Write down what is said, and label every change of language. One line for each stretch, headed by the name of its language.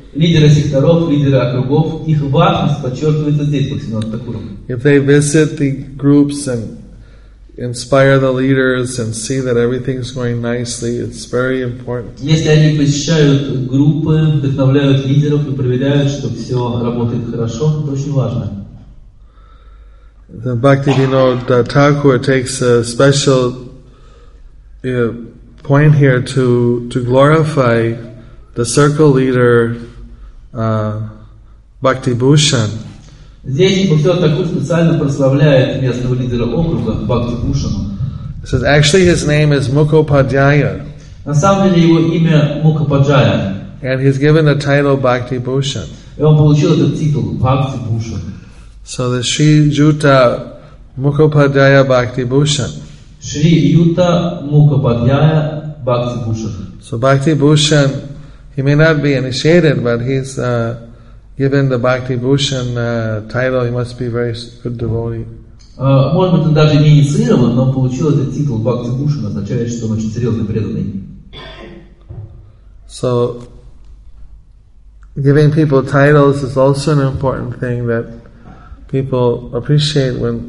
Russian: Лидеры секторов, лидеры округов, их важность подчеркивается здесь, Бхактивинода Такура.
English: If they visit the groups and inspire the leaders and see that everything is going nicely, it's very important.
Russian: Если они посещают группы, вдохновляют лидеров и проверяют, что все работает хорошо, это очень важно.
English: The Bhaktivinoda Thakur takes a special point here to glorify the circle leader Bhakti Bhushan.
Russian: Здесь Бхактивинод Такур специально прославляет местного лидера округа Бхакти Бушана.
English: Says actually his name is Мукхопадхая.
Russian: На самом деле его имя Мукхопадхая.
English: And he's given the title Bhakti Bhushan.
Russian: И он получил этот титул Бхакти Бушан.
English: So the Sri Yuta Mukhopadhyaya Bhakti Bhushan. Shri Yuta Mukhopadhyaya Bhakti Bhushan. So Bhakti Bhushan, he may not be initiated, but he's given the Bhakti Bhushan title. He must be a very good devotee.
Russian: Может быть, он даже не инициирован, но получил этот титул Бхакти Бхушан, означает, что он очень серьезный преданный.
English: So giving people titles is also an important thing that people appreciate when